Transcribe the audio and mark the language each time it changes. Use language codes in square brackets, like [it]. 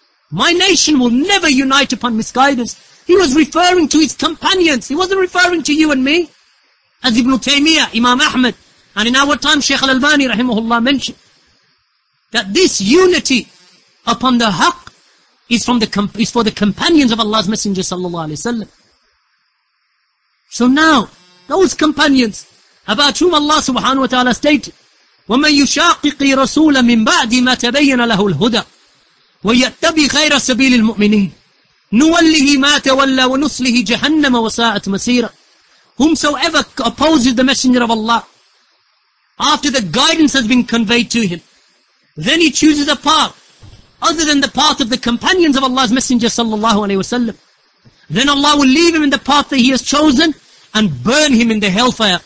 [en] My nation will never unite upon misguidance. He was referring to his companions. He wasn't referring to you and me. As Ibn Taymiyyah, Imam Ahmad, and in our time, Shaykh Al-Albani rahimahullah mentioned, that this unity upon the haq is from the is for the companions of Allah's Messenger sallallahu alayhi wa sallam. [ar] So now, those companions about whom Allah subhanahu wa ta'ala stated, وَمَنْ يُشَاقِقِ رَسُولًا مِنْ بَعْدِ مَا تَبَيَّنَ لَهُ الْهُدَى وَيَتَّبِي غَيْرَ سَبِيلِ الْمُؤْمِنِينَ نُوَلِّهِ مَا تَوَلَّى وَنُصْلِهِ جَهَنَّمَ وَسَاءَتْ مَسِيرًا. [en] Whomsoever opposes the Messenger of Allah, after the guidance has been conveyed to him, then he chooses a path other than the path of the companions of Allah's Messenger sallallahu alayhi wa sallam, then Allah will leave him in the path that he has chosen and burn him in the hellfire.